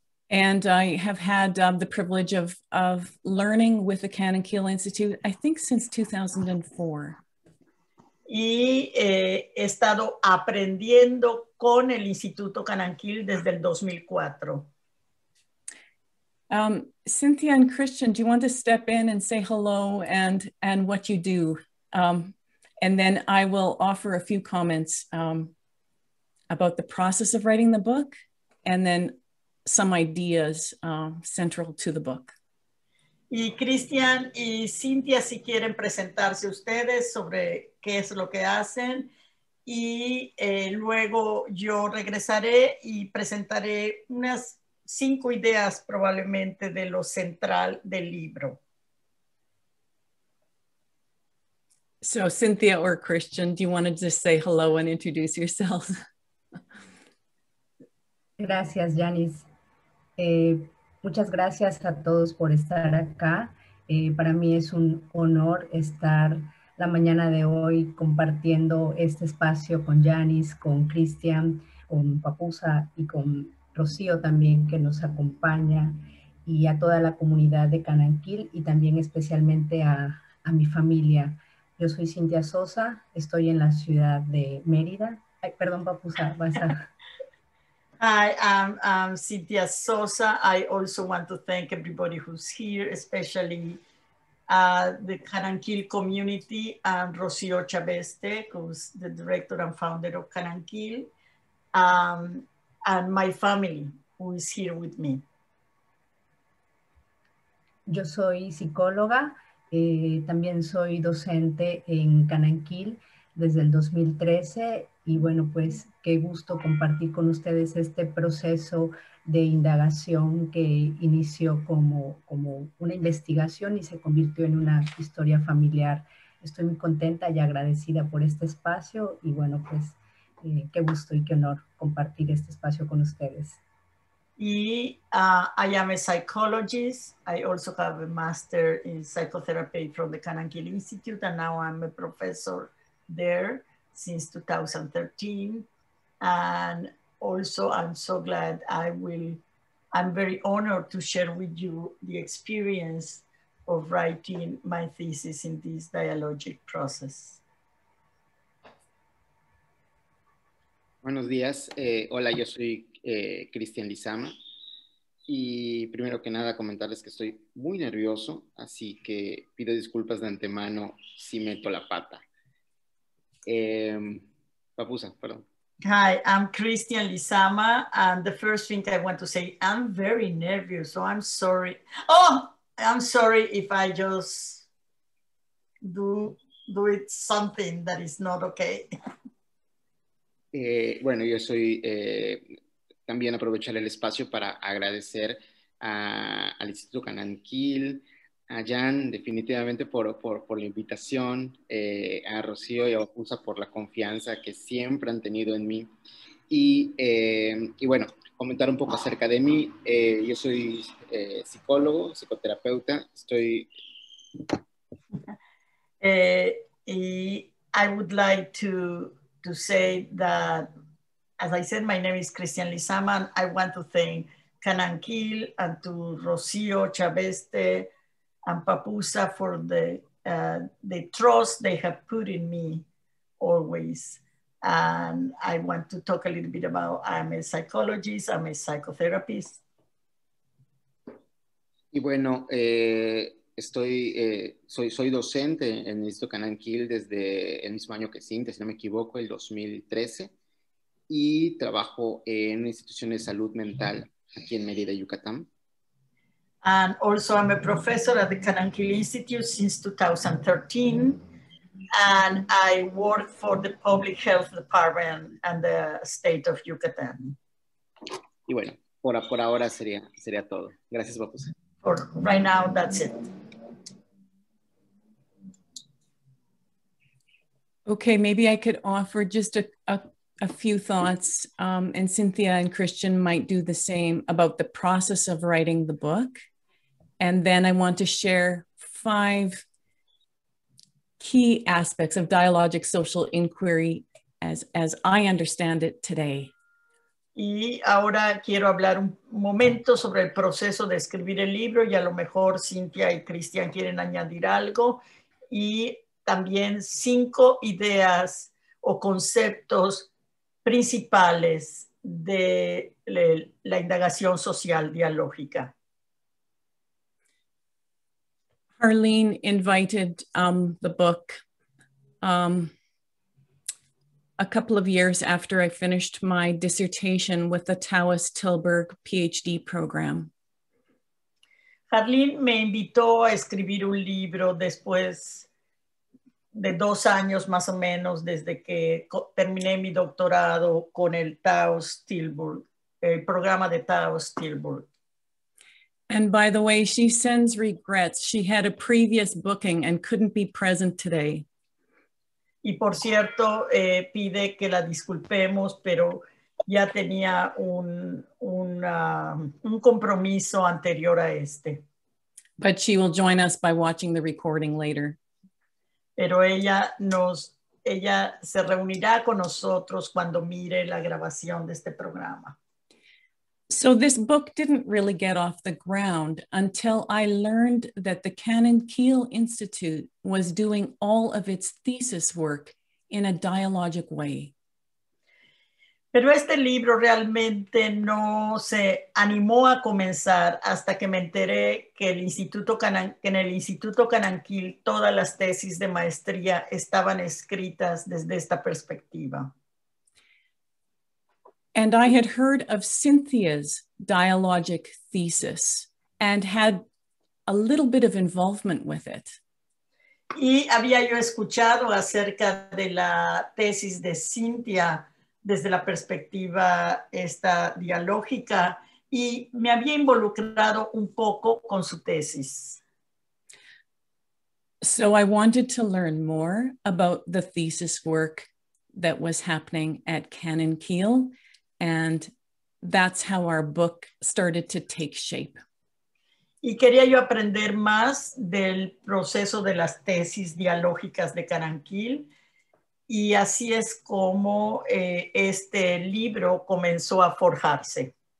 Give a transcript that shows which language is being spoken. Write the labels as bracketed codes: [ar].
[en] And I have had the privilege of learning with the Cananquil Institute, I think since 2004. [es] Y he estado aprendiendo con el Instituto Cananquil desde el 2004. [en] Cynthia and Christian, do you want to step in and say hello and what you do? And then I will offer a few comments about the process of writing the book and then some ideas central to the book. [es] Y Cristian y Cynthia, si quieren presentarse ustedes sobre qué es lo que hacen, y luego yo regresaré y presentaré unas cinco ideas probablemente de lo central del libro. [en] So Cynthia or Christian, do you want to just say hello and introduce yourselves? [es] Gracias, Janice. Muchas gracias a todos por estar acá. Para mí es un honor estar la mañana de hoy compartiendo este espacio con Janice, con Cristian, con Papusa y con Rocío también, que nos acompaña, y a toda la comunidad de Cananquil y también especialmente a mi familia. Yo soy Cynthia Sosa, estoy en la ciudad de Mérida. Ay, perdón, Papusa, vas a... [en] Hi, I'm Cynthia Sosa. I also want to thank everybody who's here, especially the Cananquil community and Rocío Chaveste, who's the director and founder of Cananquil, and my family who is here with me. [es] Yo soy psicóloga, también soy docente en Canaanquil desde el 2013 y bueno, pues qué gusto compartir con ustedes este proceso de indagación que inició como una investigación y se convirtió en una historia familiar. Estoy muy contenta y agradecida por este espacio y bueno, pues qué gusto y qué honor compartir este espacio con ustedes. [en] Y I am a psychologist. I also have a master in psychotherapy from the Canaanquil Institute, and now I'm a professor there since 2013. And also, I'm so glad I'm very honored to share with you the experience of writing my thesis in this dialogic process. [es] Buenos días. Hola, yo soy Cristian Lizama. Y primero que nada, comentarles que estoy muy nervioso, así que pido disculpas de antemano si meto la pata. Papusa, perdón. [en] Hi, I'm Cristian Lizama, and the first thing I want to say, I'm very nervous, so I'm sorry. Oh, I'm sorry if I just do it something that is not okay. [es] Bueno, yo soy también aprovechar el espacio para agradecer al Instituto Canaanquil, a Jan definitivamente por la invitación, a Rocío y a Papusa por la confianza que siempre han tenido en mí. Y bueno, comentar un poco acerca de mí. Yo soy psicólogo, psicoterapeuta. Estoy... [en] I would like to say that, as I said, my name is Cristian Lizama. I want to thank Canaanquil and to Rocío Chaveste and Papusa for the trust they have put in me always. And I want to talk a little bit about, I'm a psychologist, I'm a psychotherapist. [es] Y bueno, soy docente en el Instituto Canaanquil desde el mismo año que Cintia, si no me equivoco, el 2013. Y trabajo en una institución de salud mental aquí en Mérida, Yucatán. [en] And also I'm a professor at the Canaanquil Institute since 2013. And I work for the public health department and the state of Yucatán. [es] Y bueno, por ahora sería todo. Gracias, Papusa. [en] For right now, that's it. Okay, maybe I could offer just a few thoughts, and Cynthia and Christian might do the same about the process of writing the book. And then I want to share five key aspects of dialogic social inquiry as I understand it today. [es] Y ahora quiero hablar un momento sobre el proceso de escribir el libro y a lo mejor Cynthia y Christian quieren añadir algo. Y también cinco ideas o conceptos principales de la indagación social dialógica. [en] Harleen invited the book a couple of years after I finished my dissertation with the Taoist Tilburg PhD program. [es] Harleen me invitó a escribir un libro después de 2 años más o menos desde que terminé mi doctorado con el Taoist Tilburg, el programa de Taoist Tilburg. [en] And by the way, she sends regrets. She had a previous booking and couldn't be present today. [es] Y por cierto, pide que la disculpemos, pero ya tenía un compromiso anterior a este. [en] But she will join us by watching the recording later. [es] Pero ella se reunirá con nosotros cuando mire la grabación de este programa. [en] So this book didn't really get off the ground until I learned that the Canaanquil Institute was doing all of its thesis work in a dialogic way. [es] Pero este libro realmente no se animó a comenzar hasta que me enteré que en el Instituto Canaanquil todas las tesis de maestría estaban escritas desde esta perspectiva. [en] And I had heard of Cynthia's dialogic thesis and had a little bit of involvement with it. [es] Y había yo escuchado acerca de la tesis de Cynthia desde la perspectiva esta dialógica y me había involucrado un poco con su tesis. [en] So I wanted to learn more about the thesis work that was happening at Canon Keel, and that's how our book started to take shape. [es] Y quería yo aprender más del proceso de las tesis dialógicas de Canon Keel, y así es como este libro comenzó a forjarse.